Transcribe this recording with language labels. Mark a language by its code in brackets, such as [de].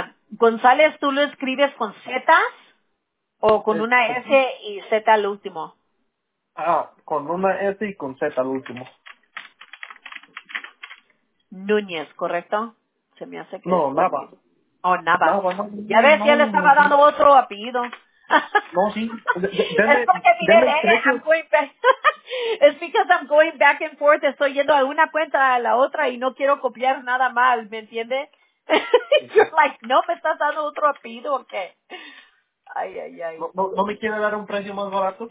[es] González, ¿tú lo escribes con Z o con una S y Z al último? Ah, con una S y con Z al último. Núñez, ¿correcto? Se me hace que... No, Nava. Oh, Nava. Ya ves, ya le estaba dando otro apellido. No, sí. Es porque mire, es [en] because I'm going back and forth. [es] Estoy yendo a una cuenta a la otra y no quiero copiar nada mal, ¿me entiende? [en] You're like, [es] no, me estás dando otro apellido, ¿o qué? Ay, ay, ay. ¿No me quiere dar un precio más barato?